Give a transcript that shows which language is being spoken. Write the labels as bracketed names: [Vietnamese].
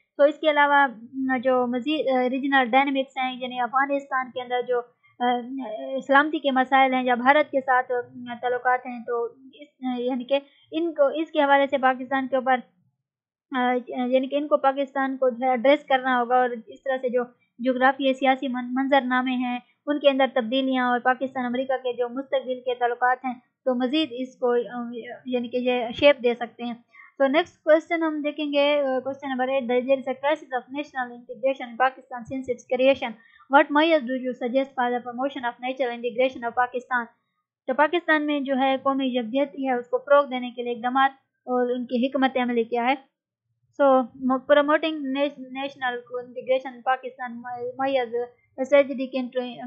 [Urdu] تو اس کے علاوہ جو مزید ریجنل ڈائنمکس ہیں یعنی افغانستان کے اندر جو سلامتی کے مسائل ہیں یا بھارت کے ساتھ تعلقات ہیں تو یعنی کہ ان کو اس کے حوالے سے پاکستان کے اوپر یعنی کہ ان کو پاکستان کو ایڈریس کرنا ہوگا. اور اس طرح سے جو جغرافیائی سیاسی منظر نامے ہیں ان کے اندر تبدیلیاں اور پاکستان امریکہ کے جو مستقبل کے تعلقات ہیں تو مزید اس کو یعنی کہ یہ شیپ دے سکتے ہیں. تو نیکسٹ کوسچن ہم دیکھیں گے question number 8. [English] There is a crisis of national integration in Pakistan since its creation. What measures do you suggest for the promotion of natural integration of Pakistan. [Urdu] تو پاکستان میں جو ہے قومی یکجہتی ہے اس کو فروغ دینے کے لیے اقدامات اور ان کی حکمت عملی کیا ہے. [English] So promoting national integration in Pakistan measures strategies.